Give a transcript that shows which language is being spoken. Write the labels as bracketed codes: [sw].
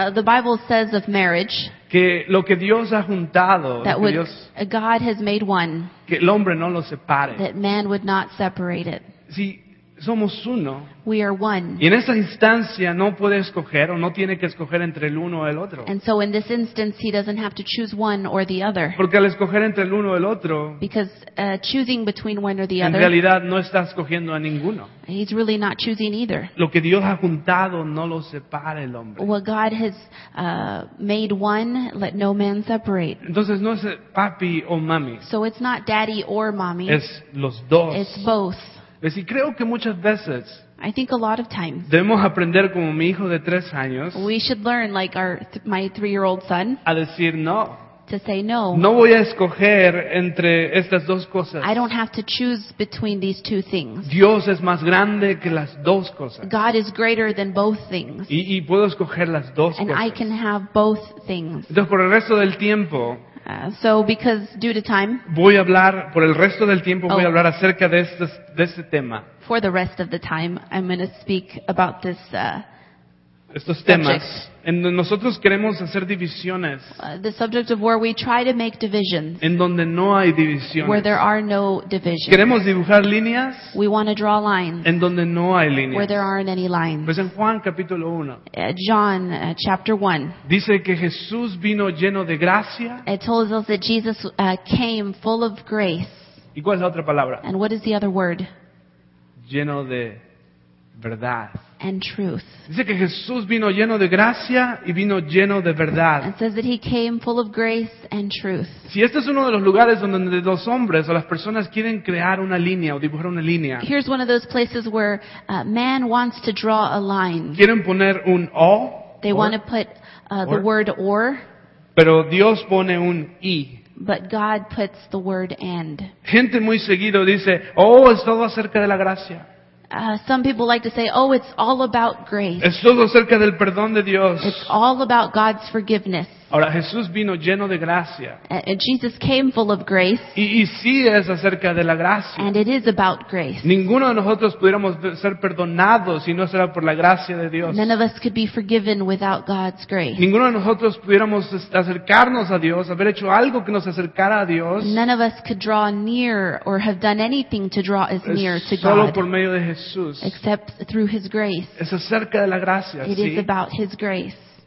[en] The Bible says of marriage. [es] Que lo que Dios ha juntado. [en] That [es] que Dios, [en] God has made one. [es] Que el hombre no lo separe. [en] That man would not separate it. [es] Si somos uno. [en] We are one. [es] Y en esa instancia no puede escoger o no tiene que escoger entre el uno o el otro. [en] And so in this instance he doesn't have to choose one or the other. [es] Porque al escoger entre el uno o el otro. [en] Because choosing between one or the other. [es] En realidad no está escogiendo a ninguno. [en] He's really not choosing either. [es] Lo que Dios ha juntado no lo separa el hombre. [en] What God has made one, let no man separate. [es] Entonces no es papi o mami. [en] So it's not daddy or mommy. [es] Es los dos. [en] It's both. [es] Y creo que muchas veces [en] I think a lot of times, [es] debemos aprender como mi hijo de 3 años [en] we should learn like my 3-year-old son [es] a decir no. [en] To say no. [es] No voy a escoger entre estas dos cosas. [en] I don't have to choose between these two things. [es] Dios es más grande que las dos cosas. [en] God is greater than both things. [es] Y puedo escoger las dos [en] and [es] cosas. [en] I can have both things. [es] Entonces por el resto del tiempo [en] So because due to time [es] voy a hablar por el resto del tiempo voy a hablar acerca de este tema. [en] For the rest of the time I'm going to speak about this [es] estos temas. En nosotros queremos hacer divisiones. [en] The subject of where we try to make divisions. [es] En donde no hay divisiones. [en] Where there are no divisions. [es] Queremos dibujar líneas. [en] We want to draw lines. [es] En donde no hay líneas. [en] Where there aren't any lines. [es] Pues en Juan capítulo 1. [en] John chapter 1. [es] Dice que Jesús vino lleno de gracia. [en] It tells us that Jesus came full of grace. [es] ¿Y cuál es la otra palabra? [en] And what is the other word? [es] Lleno de verdad. [en] and truth. [es] Dice que Jesús vino lleno de gracia y vino lleno de verdad. [en] It says that he came full of grace and truth. [es] Si este es uno de los lugares donde los hombres o las personas quieren crear una línea o dibujar una línea. [en] Here's one of those places where man wants to draw a line. [es] Quieren poner un o. [en] They want to put the word or. [es] Pero Dios pone un y. [en] But God puts the word and. [es] Gente muy seguido dice, es todo acerca de la gracia. [en] Some people like to say, it's all about grace. [es] Es todo acerca del perdón de Dios. [en] It's all about God's forgiveness. [es] Ahora, Jesús vino lleno de gracia. [en] And Jesus came full of grace. [es] Y sí es acerca de la gracia. [en] And it is about grace. [es] Ninguno de nosotros pudiéramos ser perdonados si no será por la gracia de Dios. [en] None of us could be forgiven without God's grace. [es] Ninguno de nosotros pudiéramos acercarnos a Dios, haber hecho algo que nos acercara a Dios. [en] None of us could draw near or have done anything to draw us near to God. [es] Solo por medio de Jesús. [en] Except through His grace. [es] Es acerca de la gracia, [en] it [es] sí. [en] It is about His grace.